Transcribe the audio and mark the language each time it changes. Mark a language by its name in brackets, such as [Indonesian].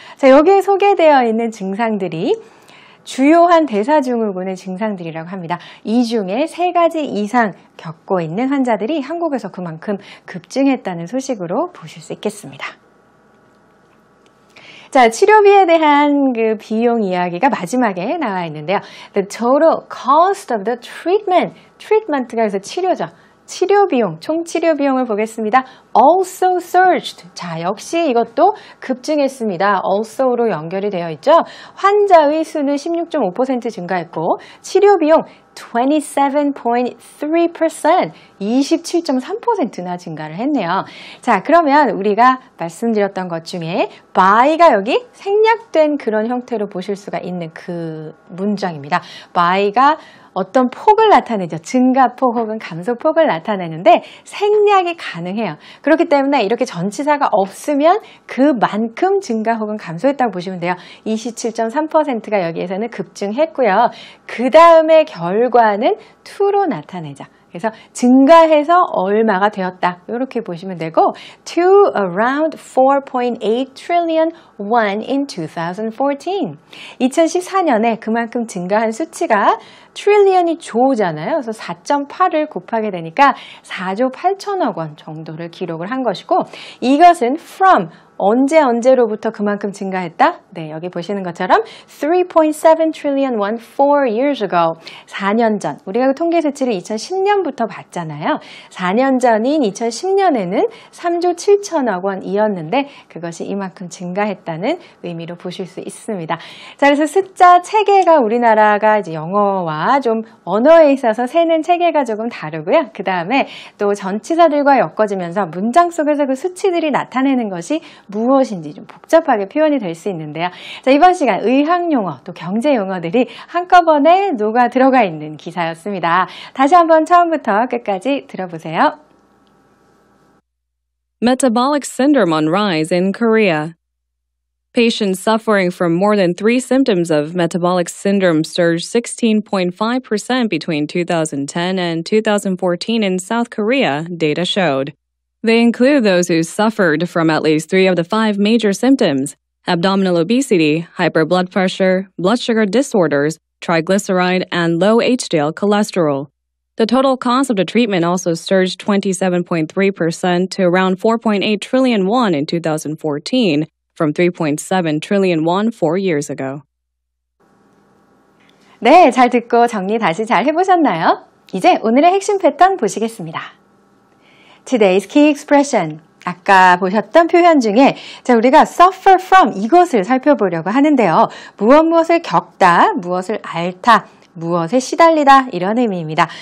[Korean] 자, 여기에 소개되어 있는 증상들이 주요한 대사증후군의 증상들이라고 합니다. 이 중에 세 가지 이상 겪고 있는 환자들이 한국에서 그만큼 급증했다는 소식으로 보실 수 있겠습니다. 자, 치료비에 대한 그 비용 이야기가 마지막에 나와 있는데요. [English] The total cost of the treatment. [Korean] Treatment가 그래서 치료죠. 치료비용, 총치료비용을 보겠습니다. [English] Also surged. [Korean] 자, 역시 이것도 급증했습니다. Also로 연결이 되어 있죠. 환자의 수는 16.5% 증가했고 치료비용 27.3%, 27.3%나 증가를 했네요. 자, 그러면 우리가 말씀드렸던 것 중에 by가 여기 생략된 그런 형태로 보실 수가 있는 그 문장입니다. by가 어떤 폭을 나타내죠. 증가폭 혹은 감소폭을 나타내는데 생략이 가능해요. 그렇기 때문에 이렇게 전치사가 없으면 그만큼 증가 혹은 감소했다고 보시면 돼요. 27.3%가 여기에서는 급증했고요. 그 다음에 결과는 2로 나타내죠. 그래서 증가해서 얼마가 되었다. 이렇게 보시면 되고 [English] to around 4.8 trillion won in 2014. [Korean] 2014년에 그만큼 증가한 수치가 trillion이 조잖아요. 그래서 4.8을 곱하게 되니까 4조 8천억 원 정도를 기록을 한 것이고 이것은 from 언제 언제로부터 그만큼 증가했다? 네, 여기 보시는 것처럼 [English] 3.7 trillion won 4 years ago. [Korean] 4년 전. 우리가 그 통계 수치를 2010년부터 봤잖아요. 4년 전인 2010년에는 3조 7천억 원이었는데 그것이 이만큼 증가했다는 의미로 보실 수 있습니다. 자, 그래서 숫자 체계가 우리나라가 이제 영어와 좀 언어에 있어서 세는 체계가 조금 다르고요. 그 다음에 또 전치사들과 엮어지면서 문장 속에서 그 수치들이 나타내는 것이 무엇인지 좀 복잡하게 표현이 될 수 있는데요. 자, 이번 시간 의학용어 또 경제용어들이 한꺼번에 녹아 들어가 있는 기사였습니다. 다시 한번 처음부터 끝까지 들어보세요. [English] Metabolic syndrome on rise in Korea. Patients suffering from more than three symptoms of metabolic syndrome surged 16.5% between 2010 and 2014 in South Korea, data showed. They include those who suffered from at least three of the five major symptoms, abdominal obesity, high blood pressure, blood sugar disorders, triglyceride, and low HDL cholesterol. The total cost of the treatment also surged 27.3% to around 4.8 trillion won in 2014 from 3.7 trillion won 4 years ago. [Korean] 네, 잘 듣고 정리 다시 잘 해보셨나요? 이제 오늘의 핵심 패턴 보시겠습니다. [English] Today's key expression. [Korean] 아까 보셨던 표현 중에 자, 우리가 suffer from 이것을 살펴보려고 하는데요. 무엇 무엇을 겪다, 무엇을 앓다, 무엇에 시달리다 이런 의미입니다.